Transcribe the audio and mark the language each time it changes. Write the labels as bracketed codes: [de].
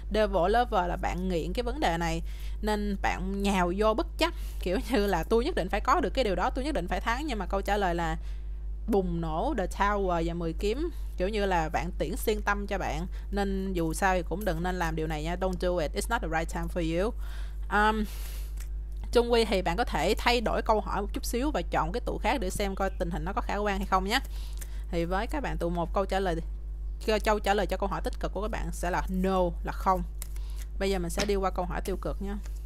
[vi] Devil lover là bạn nghiện cái vấn đề này, nên bạn nhào vô bất chấp, kiểu như là tôi nhất định phải có được cái điều đó, tôi nhất định phải thắng. Nhưng mà câu trả lời là bùng nổ The Tower và 10 kiếm, kiểu như là vạn tiễn xuyên tâm cho bạn. Nên dù sao thì cũng đừng nên làm điều này nha. [en] Don't do it, it's not the right time for you. [vi] Chung quy thì bạn có thể thay đổi câu hỏi một chút xíu và chọn cái tụ khác để xem coi tình hình nó có khả quan hay không nhé. Thì với các bạn tụ một, câu trả lời cho câu hỏi tích cực của các bạn sẽ là no, là không. Bây giờ mình sẽ đi qua câu hỏi tiêu cực nha.